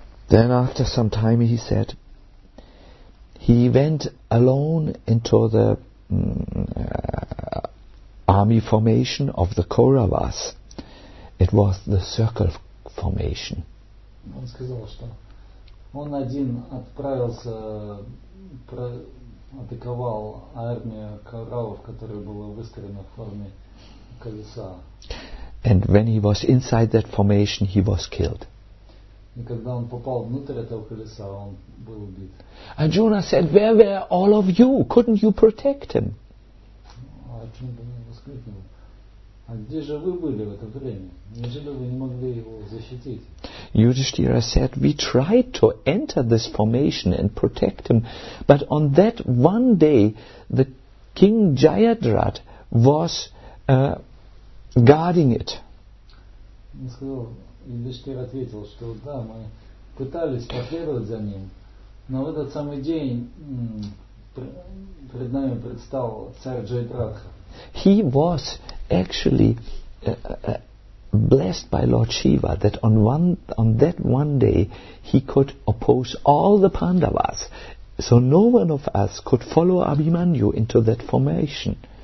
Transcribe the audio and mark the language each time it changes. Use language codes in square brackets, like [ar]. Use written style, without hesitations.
[en] Then after some time he said, he went alone into the army formation of the Kauravas. It was the circle formation. [ru] Он сказал, что он один отправился, атаковал армию Кауравов, которая была выстроена в форме колеса. [en] And when he was inside that formation, he was killed. [ru] И когда он попал внутрь этого колеса, он был убит. [en] Arjuna said, "Where were all of you? Couldn't you protect him?" [ru] Arjuna воскликнул: "А где же вы были в это время? Неужели вы не могли его защитить?" [en] Yudhishthira said, "We tried to enter this formation and protect him, but on that one day, the king Jayadrat was guarding it." [ru] Юдиштхира ответил, что да, мы пытались последовать за ним, но в этот самый день перед нами предстал царь Джайадратха. [en] He was actually blessed by Lord Shiva that on that one day he could oppose all the Pandavas, so no one of us could follow Abhimanyu into that formation.